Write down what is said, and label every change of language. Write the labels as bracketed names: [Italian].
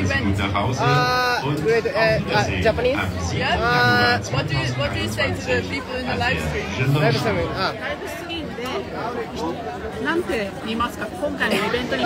[German] Kommen Sie gut nach Hause und auf Wiedersehen. [English] Japanese? Yeah? What do you say to the people in the live stream? Live stream. Live stream. [Japanese] なんて言いますか今回のイベントに